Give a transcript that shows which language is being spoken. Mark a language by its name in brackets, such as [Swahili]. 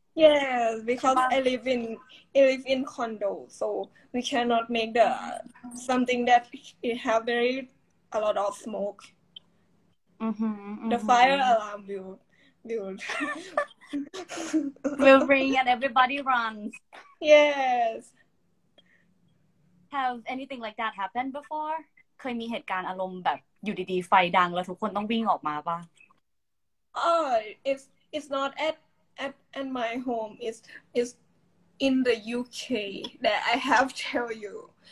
[English] Yes, because I live in condo, so we cannot make the something that it have very a lot of smoke. The fire alarm will ring and everybody runs. Yes. Have anything like that happened before? [Thai] เคยมีเหตุการณ์อารมณ์แบบอยู่ดีๆไฟดังแล้วทุกคนต้องวิ่งออกมาป่ะ [English] Oh, it's not at my home. It's in the UK that I have tell you.